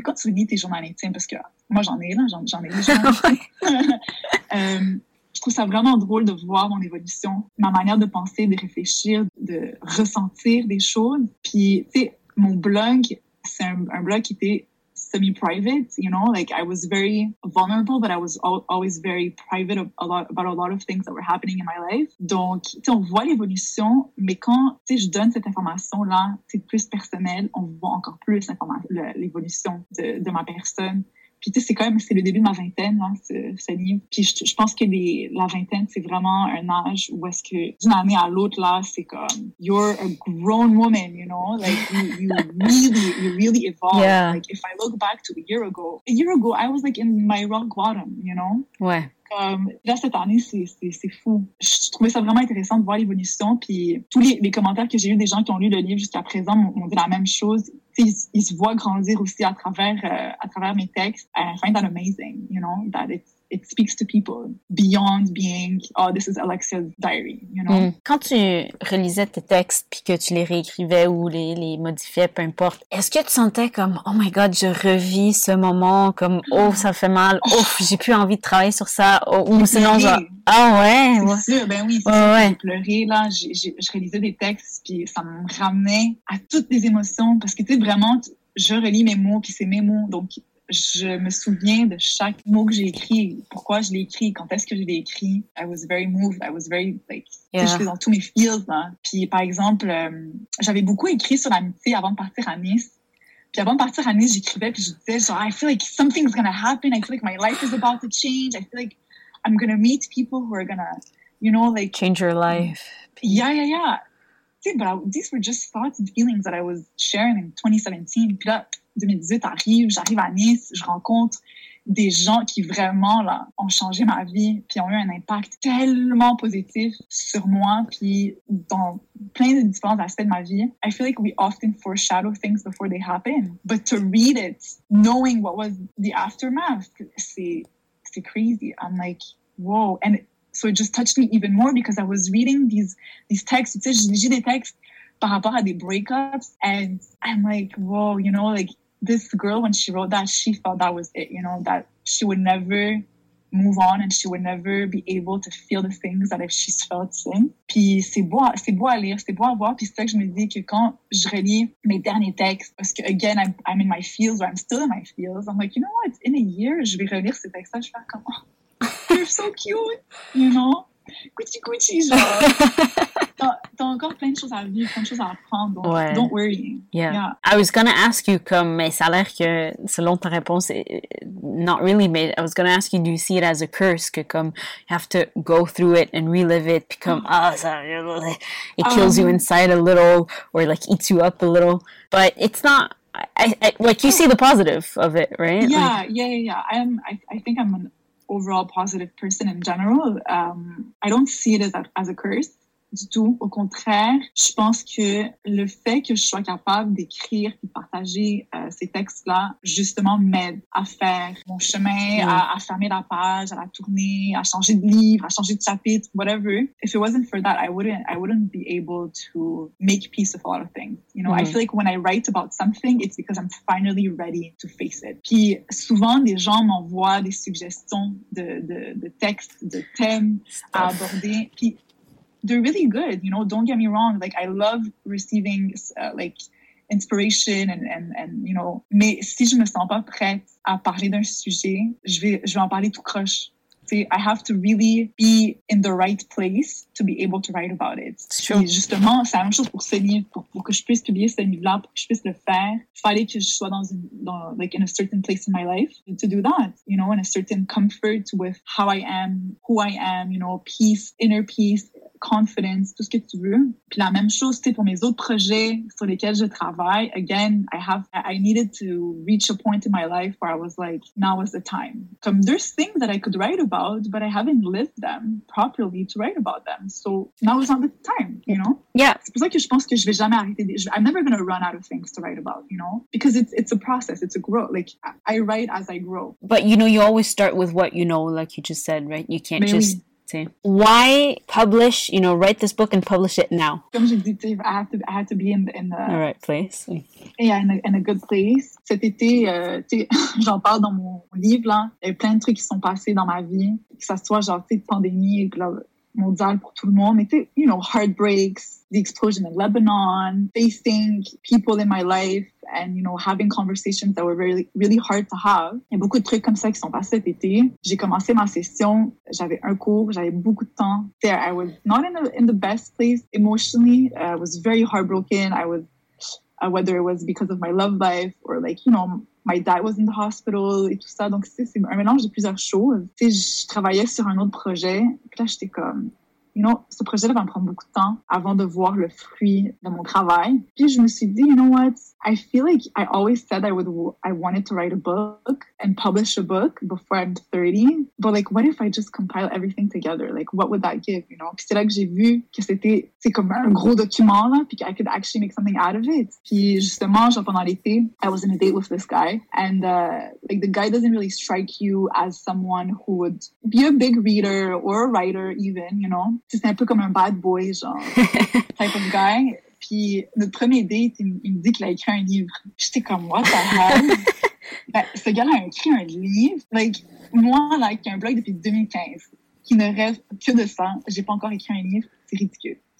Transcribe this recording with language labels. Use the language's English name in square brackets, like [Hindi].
[French] Quand tu lis tes journaux intimes, parce que moi j'en ai, là, j'en ai déjà. Je trouve ça vraiment drôle de voir mon évolution, ma manière de penser, de réfléchir, de ressentir des choses. Puis, tu sais, mon blog, c'est un blog qui était semi-private, [English] you know, like I was very vulnerable, but I was always very private about a lot of things that were happening in my life. [French] Donc, tu sais, on voit l'évolution, mais quand, tu sais, je donne cette information-là, c'est plus personnel, on voit encore plus l'évolution de ma personne. Puis, tu sais, c'est quand même, c'est le début de ma vingtaine, là, ce livre. Puis, je pense que la vingtaine, c'est vraiment un âge où est-ce que d'une année à l'autre, là, c'est comme, [English] you're a grown woman, you know? Like, you really evolved. Yeah. Like, if I look back to a year ago, I was like in my rock bottom, you know? [French] Ouais. Là, cette année, c'est fou. Je trouvais ça vraiment intéressant de voir l'évolution. Puis tous les commentaires que j'ai eu des gens qui ont lu le livre jusqu'à présent m'ont dit la même chose. Ils se voient grandir aussi à travers mes textes. [English] I find that amazing, you know, that it speaks to people beyond being, oh, this is Alexia's diary, you know. [French] Quand tu relisais tes textes puis que tu les réécrivais ou les modifiais, peu importe, est-ce que tu sentais comme, [English] oh my God, [French] je revis ce moment, comme, oh, ça fait mal, oh, j'ai plus envie de travailler sur ça, oh, ou sinon, genre, ah ouais? C'est ouais. Sûr, ben oui, c'est sûr. J'ai pleuré, là, je relisais des textes puis ça me ramenait à toutes les émotions parce que, tu sais, vraiment, je relis mes mots puis c'est mes mots, donc... Je me souviens de chaque mot que j'ai écrit, pourquoi je l'ai écrit, quand est-ce que je l'ai écrit. [English] I was very moved, I was very, like, yeah. [French] Tu sais, j'étais dans tous mes feels, là. Puis, par exemple, j'avais beaucoup écrit sur l'amitié avant de partir à Nice. Puis avant de partir à Nice, j'écrivais, puis je disais, genre, [English] I feel like something's gonna happen, I feel like my life is about to change, I feel like I'm gonna meet people who are gonna, you know, like... Change your life. Yeah. [French] Tu sais, [English] but these were just thoughts and feelings that I was sharing in 2017. [French] Puis là, 2018 arrive, j'arrive à Nice, je rencontre des gens qui vraiment là ont changé ma vie, puis ont eu un impact tellement positif sur moi, puis dans plein de différents aspects de ma vie. [English] I feel like we often foreshadow things before they happen, but to read it, knowing what was the aftermath, [French] c'est crazy. [English] I'm like, whoa. And so it just touched me even more because I was reading these texts. [French] Tu sais, j'ai des textes par rapport à des breakups, [English] and I'm like, whoa, you know, like, this girl, when she wrote that, she felt that was it, you know, that she would never move on and she would never be able to feel the things that she's felt since. [French] Puis c'est beau à lire, c'est beau à voir, puis c'est ça que je me dis que quand je relis mes derniers textes, parce que, [English] again, I'm in my feels, or I'm still in my feels, I'm like, you know what, in a year, [French] je vais relire ces textes-là, je vais faire comme, oh, [English] they're so cute, you know? [French] Gucci, Gucci, genre. T'as encore plein de choses à vivre, plein de choses à apprendre, donc ouais. [English] Don't worry. Yeah. I was gonna ask you, [French] comme, mais ça a l'air que, selon ta réponse, [English] not really, but I was gonna ask you, do you see it as a curse, [French] que comme, [English] you have to go through it and relive it, [French] puis comme, [English] it kills you inside a little, or like, eats you up a little, but it's not, I see the positive of it, right? I think I'm an overall positive person in general. I don't see it as a curse [French] du tout. Au contraire, je pense que le fait que je sois capable d'écrire et de partager ces textes-là, justement, m'aide à faire mon chemin, à fermer la page, à la tourner, à changer de livre, à changer de chapitre, whatever. [English] If it wasn't for that, I wouldn't be able to make peace with a lot of things. You know, I feel like when I write about something, it's because I'm finally ready to face it. [French] Puis souvent, des gens m'envoient des suggestions de textes, de thèmes à aborder. [English] Puis they're really good, you know, don't get me wrong. Like, I love receiving, like, inspiration and you know. [French] Mais si je me sens pas prête à parler d'un sujet, je vais en parler tout croche. [English] T'sais, I have to really be in the right place to be able to write about it. Sure. [French] Et justement, c'est la même chose pour ce livre, pour que je puisse publier ce livre-là, pour que je puisse le faire. Il fallait que je sois dans une, dans, [English] like, in a certain place in my life to do that, you know, in a certain comfort with how I am, who I am, you know, peace, inner peace, confidence, [French] tout ce que tu veux. Puis la même chose, c'était pour mes autres projets sur lesquels je travaille. [English] Again, I needed to reach a point in my life where I was like, now is the time. Comme, there's things that I could write about, but I haven't lived them properly to write about them. So now is not the time, you know? Yeah. [French] C'est pour ça que je pense que je vais jamais arrêter. [English] I'm never going to run out of things to write about, you know? Because it's a process. It's a growth. Like, I write as I grow. But, you know, you always start with what you know, like you just said, right? You can't Why publish, you know, write this book and publish it now? [French] Comme je disais, [English] I have to be in the right place. Yeah, in a good place. [French] Cet été, tu sais, j'en parle dans mon livre, là. Il y a plein de trucs qui sont passés dans ma vie, que ça soit genre, tu sais, pandémie mondiale pour tout le monde, mais tu sais, [English] you know, heartbreaks, the explosion in Lebanon, facing people in my life, and, you know, having conversations that were really, really hard to have. [French] Il y a beaucoup de trucs comme ça qui sont passés cet été. J'ai commencé ma session, j'avais un cours, j'avais beaucoup de temps. [English] There, I was not in the best place emotionally. I was very heartbroken. I was, whether it was because of my love life or, like, you know, my dad was in the hospital [French] et tout ça. Donc, c'est un mélange de plusieurs choses. Tu sais, je travaillais sur un autre projet. Puis là, j'étais comme, you know, ce projet-là va me prendre beaucoup de temps avant de voir le fruit de mon travail. Puis je me suis dit, [English] you know what? I feel like I always said I wanted to write a book and publish a book before I'm 30. But, like, what if I just compile everything together? Like, what would that give, you know? [French] Puis c'est là que j'ai vu que c'est comme un gros document, là, puis que [English] I could actually make something out of it. [French] Puis justement, genre pendant l'été, [English] I was in a date with this guy. And, like, the guy doesn't really strike you as someone who would be a big reader or a writer even, you know? [French] C'est un peu comme un [English] bad boy, [French] genre, [English] type of guy. [French] Puis, notre premier date, il me dit qu'il a écrit un livre. J'étais comme, [English] what the hell? [French] Ben, ce gars-là a écrit un livre. Like, moi, là, qui ai un blog depuis 2015, qui ne rêve que de ça, j'ai pas encore écrit un livre. C'est ridicule.